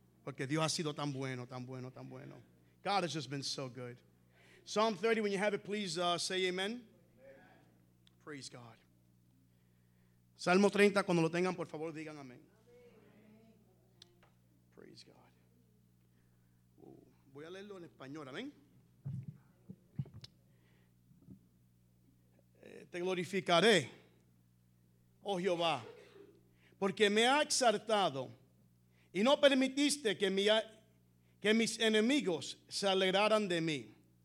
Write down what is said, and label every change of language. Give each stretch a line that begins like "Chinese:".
Spanish: Porque Dios ha sido tan bueno, tan bueno, tan bueno.
English: God has just been so good. Psalm 30, when you have it, please say amen. Amen. Praise God.
Spanish: Salmo 30, cuando lo tengan, por favor, digan amén.
English: Praise God.
Spanish: Voy a leerlo en español, amén. Te glorificaré, oh Jehová, porque me ha exaltado y no permitiste que mis enemigos se alegraran de mí.